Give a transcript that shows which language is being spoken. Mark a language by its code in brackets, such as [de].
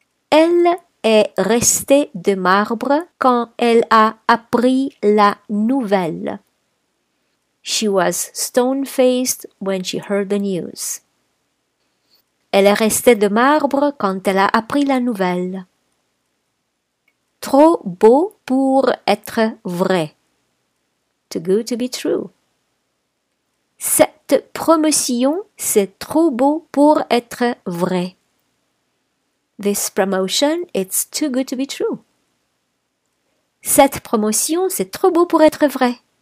[fr] Elle est restée de marbre quand elle a appris la nouvelle. [en] She was stone-faced when she heard the news. [fr] Elle est restée de marbre quand elle a appris la nouvelle. Trop beau pour être vrai. [en] Too good to be true. [fr] Cette promotion, c'est trop beau pour être vrai. [en] This promotion, it's too good to be true. [fr] Cette promotion, c'est trop beau pour être vrai.